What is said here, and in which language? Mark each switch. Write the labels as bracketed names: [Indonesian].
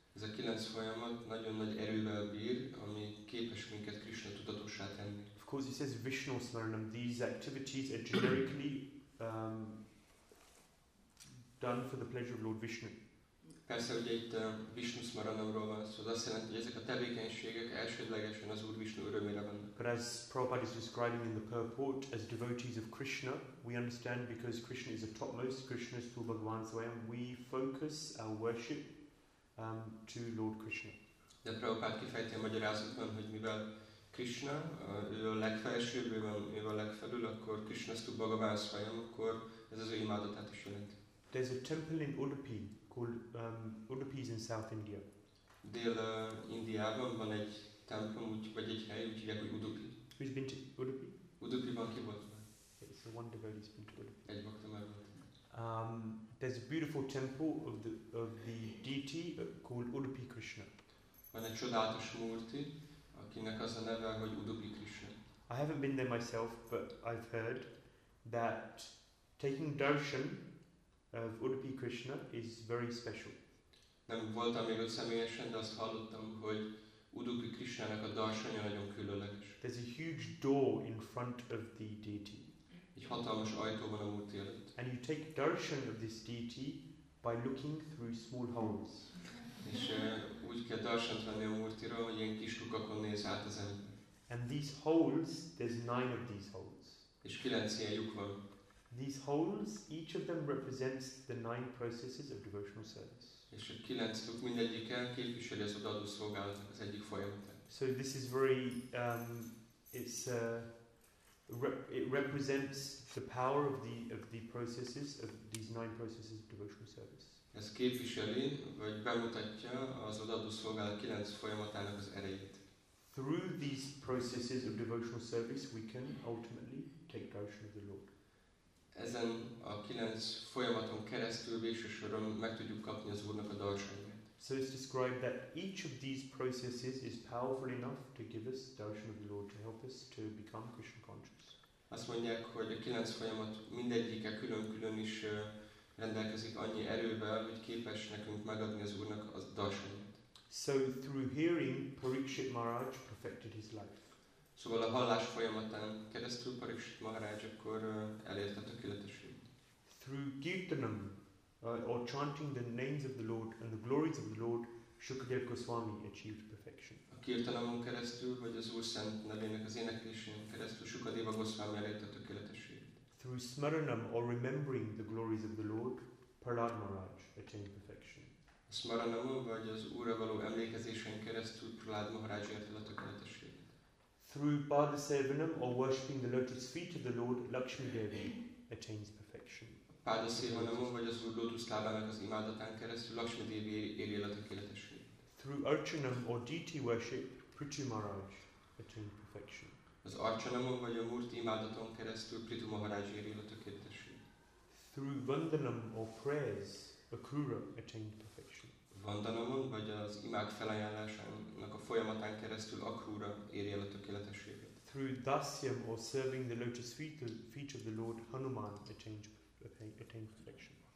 [Hungarian] Ez a 9 folyamat nagyon nagy erővel bír, ami képes minket Krishna tudatossá tenni. [English] Of course, he says Vishnu Smaranam. These activities are generically done for the pleasure of Lord Vishnu. [Hungarian] Persze, ugye itt Vishnu Smaranamról van szó, az azt jelenti, hogy ezek a tevékenységek elsődlegesen az Úr Vishnu örömére vannak. [English] But as Prabhupada is describing in the purport, as devotees of Krishna, we understand because Krishna is the topmost, Krishna is full Bhagavan Swayam, we focus our worship to Lord Krishna. [Hungarian] De Prabhupada kifejti a magyarázatban, hogy mivel Krishna, ő a legfelsőbb, ő a legfelül, akkor [English] Krishna is full Bhagavan Swayam, [Hungarian] akkor ez az ő imádatát is jelenti. [English] There's a temple in Udupi called Udupi is in South India. [Hungarian] Dél-Indiában van egy templom, vagy egy hely, úgy hívják, hogy Udupi. [English] Who's been to Udupi? [Hungarian] Udupiban ki volt már. [English] It's the one devotee who's been to Udupi. [Hungarian] Egy bhakta már volt. [English] There's a beautiful temple of the deity called Udupi Krishna. [Hungarian] Van egy csodálatos murti, akinek az a neve, hogy Udupi Krishna. [English] I haven't been there myself, but I've heard that taking darshan of Udupi Krishna is very special. [Hungarian] Nem voltam még ott személyesen, de azt hallottam, hogy Udupi Krishnának a darsanya nagyon különleges. [English] There's a huge door in front of the deity. [Hungarian] Egy hatalmas ajtó van a murti előtt. [English] And you take darshan of this deity by looking through small holes. [Hungarian] És úgy kell darshant venni a murtiról, hogy ilyen kis lukakon néz át az ember. [English] And these holes, there's 9 of these holes. [Hungarian] És 9 ilyen lyuk van. [English] These holes, each of them represents the 9 processes of devotional service. [Hungarian] És a 9 lyuk mindegyike képviseli az odaadó szolgálatnak az egyik folyamatát. [English] So this is very, it represents the power of the processes of these 9 processes of devotional service. [Hungarian] Ez képviseli, vagy bemutatja az odaadó szolgálat 9 folyamatának az erejét. [English] Through these processes of devotional service, we can ultimately take darshan of the Lord. [Hungarian] Ezen a 9 folyamaton keresztül végső soron meg tudjuk kapni az Úrnak a darshanját. [English] So it's described that each of these processes is powerful enough to give us darshan of the Lord, to help us to become Krishna conscious. [Hungarian] Azt mondják, hogy a 9 folyamat mindegyike külön-külön is rendelkezik annyi erővel, hogy képes nekünk megadni az Úrnak a darshanját. [English] So through hearing, Parikshit Maharaj perfected his life. [Hungarian] Szóval a hallás folyamatán keresztül Parikshit Maharaj akkor elérte a tökéletességet. [English] Through kirtanam, or chanting the names of the Lord and the glories of the Lord, Shukadev Goswami achieved perfection. [Hungarian] A kirtanamon keresztül, vagy az Úr Szent nevének az éneklésén keresztül Shukadeva Goswami elérte a tökéletességet. [English] Through smaranam, or remembering the glories of the Lord, Prahlad Maharaj attained perfection. [Hungarian] A smaranamon, vagy az Úrra való emlékezésen keresztül Prahlad Maharaj elérte a tökéletességet. [English] Through Pada Sevanam, or worshipping the lotus feet of the Lord, Lakshmi Devi attains perfection. [Hungarian] Pada Sevanam, vagy az Úr lótusz lábának az imádatán keresztül, Lakshmi Devi éri el a tökéletességet. [English] Through Archanam, or deity worship, Prithu Maharaj attains perfection. [Hungarian] Az Archanam, vagy a Murti imádaton keresztül, Prithu Maharaj éri el a tökéletességet. [English] Through Vandanam, or prayers, Akrura attains perfection. [Hungarian] Vandanamon, vagy az imád felajánlásának a folyamatán keresztül Akrúra éri el a tökéletességet. [English] Through dasyam, or serving the lotus feet of the Lord, Hanuman attained perfection.